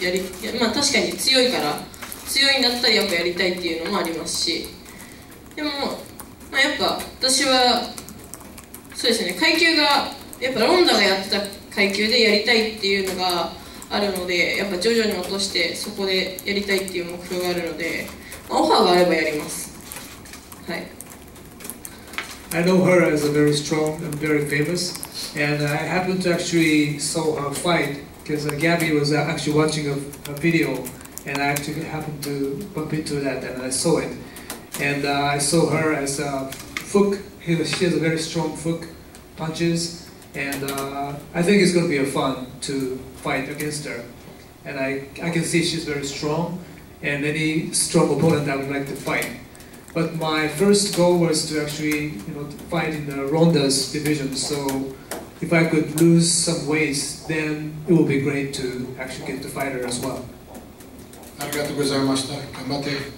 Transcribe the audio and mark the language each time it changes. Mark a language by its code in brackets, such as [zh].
[ja] まあ、確かに強いから強いんだったらやっぱやりたいっていうのもありますし、でも、まあ、やっぱ私はそうですね、階級がやっぱロンダがやってた階級でやりたいっていうのがあるので、やっぱ徐々に落としてそこでやりたいっていう目標があるので、まあ、オファーがあればやります。はい。 [en] I know her as a very strong and very famous, and I happened to actually saw her fight because Gabby was actually watching a video, and I actually happened to bump into that and I saw it. And I saw her as a hook. She has a very strong hook punches, and I think it's going to be a fun to fight against her. And I can see she's very strong, and any strong opponent I would like to fight. But my first goal was to actually, you know, to fight in the Ronda's division. So if I could lose some weight, then it would be great to actually get to fight her as well. [ja] ありがとうございました。頑張って。